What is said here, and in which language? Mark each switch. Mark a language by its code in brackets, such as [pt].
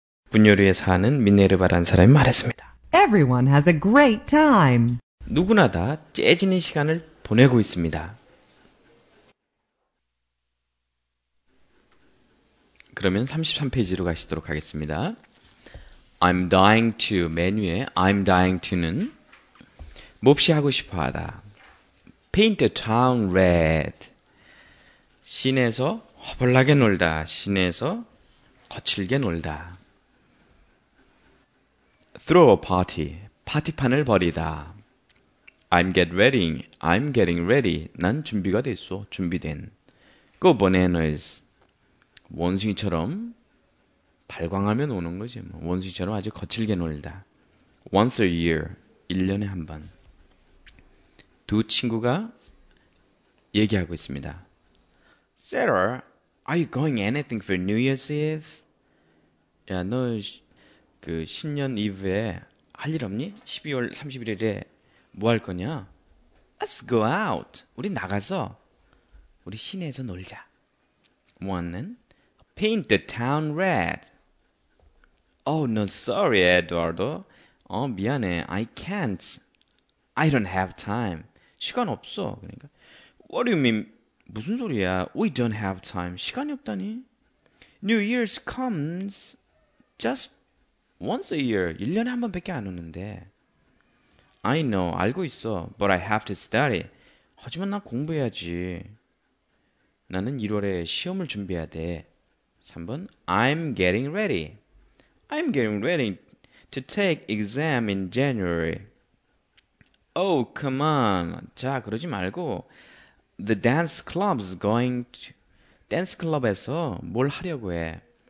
[ko] 부뇨르에 사는 미네르바라는 사람이 말했습니다. [en] Everyone has a great time. [ko] 누구나 다 재지는 시간을 보내고 있습니다. 그러면 33페이지로 가시도록 하겠습니다. [en] I'm dying to [ko] 맨 위에 I'm dying to는 몹시 하고 싶어하다. [en] Paint the town red. [ko] 시내에서 허벌나게 놀다. 시내에서 거칠게 놀다. [en] Throw a party. [ko] 파티판을 벌이다. [en] I'm getting ready. [ko] 난 준비가 됐어. 준비된. [en] Go bananas. [ko] 원숭이처럼 발광하면 오는 거지. 뭐. 원숭이처럼 아주 거칠게 놀다. Once a year. 1년에 한 번. 두 친구가 얘기하고 있습니다. [en] Sarah, are you going anything for New Year's Eve? [ko] 야, 너 그 신년 이브에 할 일 없니? 12월 31일에 뭐 할 거냐? [en] Let's go out. [ko] 우리 나가서 우리 시내에서 놀자. [en] One는 paint the town red. Oh, no, sorry, Eduardo. [ko] 어, 미안해. [en] I can't. I don't have time. [ko] 시간 없어. 그러니까 [en] What do you mean? [ko] 무슨 소리야? [en] We don't have time. [ko] 시간이 없다니. [en] New Year's comes just once a year. [ko] 1년에 한 번밖에 안 오는데. [en] I know. [ko] 알고 있어. [en] But I have to study. [ko] 하지만 나 공부해야지. 나는 1월에 시험을 준비해야 돼. 3번. [en] I'm getting ready. I'm getting ready to take exam in January. Oh, come on. [ko] 자, 그러지 말고. [en] The dance club's going to... [ko] Dance club에서 뭘 하려고 해?